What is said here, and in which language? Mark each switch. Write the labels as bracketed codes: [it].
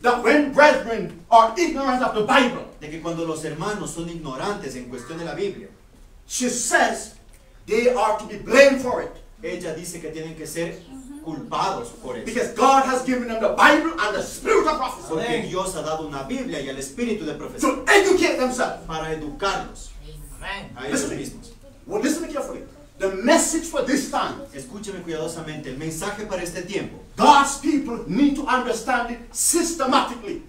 [en] that when brethren are ignorant of the Bible, [es] de que cuando los hermanos son ignorantes en cuestión de la Biblia, [en] she says they are to be blamed for it. [es] Ella dice que tienen que ser culpados por eso. [en] Because God has given them the Bible and the spirit of prophecy. [es] Porque Dios ha dado una Biblia y el espíritu de profecía. [en] To educate themselves. [es] Para educarlos. [en] Amen. [es] A ellos mismos. [en] Well, listen carefully. The message for this time. [es] Escúcheme cuidadosamente. El mensaje para este tiempo. [en] God's people need to understand it systematically.